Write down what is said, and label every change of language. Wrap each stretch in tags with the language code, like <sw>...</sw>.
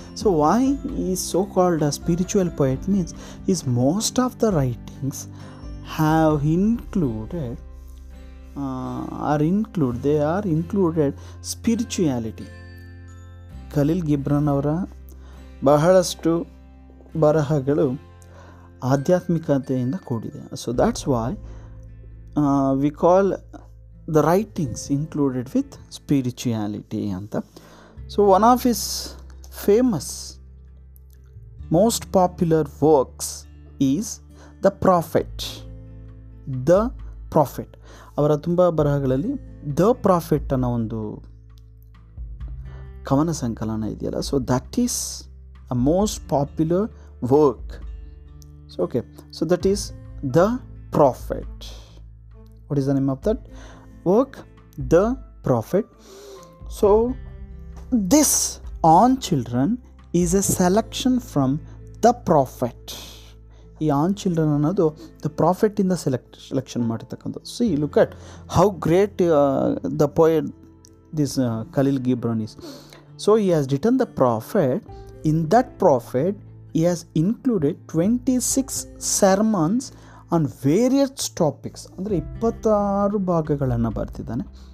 <en>So why is so called a spiritual poet means is most of the writings have included are include they are included spirituality.</en> <kn>Khaleel ಗಿಬ್ರನ್ ಅವರ ಬಹಳಷ್ಟು ಬರಹಗಳು ಆಧ್ಯಾತ್ಮಿಕತೆಯಿಂದ ಕೂಡಿದೆ.</kn> <en>So that's why we call the writings included with spirituality ಅಂತ. So one of his famous, most popular works is The Prophet. The Prophet.</en> <kn>ಅವರ ತುಂಬ ಬರಹಗಳಲ್ಲಿ the prophet ಅನ್ನೋ ಒಂದು ಕವನ ಸಂಕಲನ ಇದೆಯಲ್ಲ.</kn> <en>So that is a most popular work. So okay, so that is the Prophet. What is the name of that work? The Prophet. So This On Children is a selection from The Prophet.</en> <kn>ಈ on children ಅನ್ನೋದು the prophet ಇಂದ selection ಮಾಡಿರ್ತಕ್ಕಂಥದ್ದು.</kn> <en>See look at how great the poet this Khalil Gibran is. So he has written the Prophet. In that Prophet he has included 26 sermons on various topics,</en> <kn>ಅಂದರೆ 26 ಭಾಗಗಳನ್ನು ಬರ್ತಿದ್ದಾನೆ.</kn>